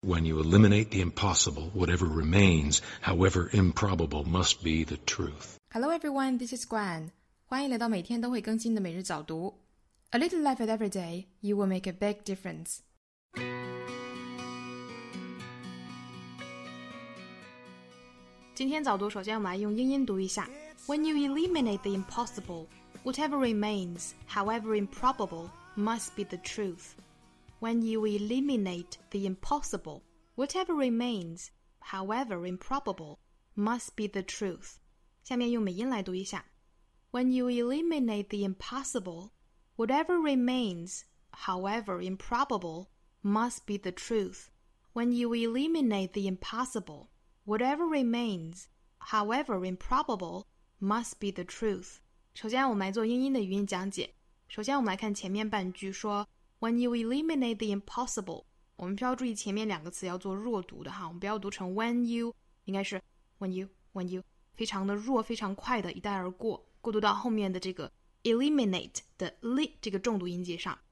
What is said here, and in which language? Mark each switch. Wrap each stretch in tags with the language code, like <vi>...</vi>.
<en>When you eliminate the impossible, whatever remains, however improbable, must be the truth. Hello everyone, this is Gwen.</en> <zh>欢迎来到每天都会更新的每日早读。</zh> <en>A little effort every day, you will make a big difference. When you eliminate the impossible, whatever remains, however improbable, must be the truth. When you eliminate the impossible, whatever remains, however improbable, must be the truth.</en> <zh>下面用美音来读一下。</zh> <en>When you eliminate the impossible, whatever remains, however improbable, must be the truth. When you eliminate the impossible, whatever remains, however improbable, must be the truth.</en> <zh>首先我们来做英音的语音讲解。首先我们来看前面半句说</zh> <en>When you eliminate the impossible,</en> <zh>我们需要注意前面两个词要做弱读的哈，我们不要读成 when you, 应该是 when you, 非常的弱非常快的一带而过，过渡到后面的这个 eliminate 的 li 这个重读音节上。</zh>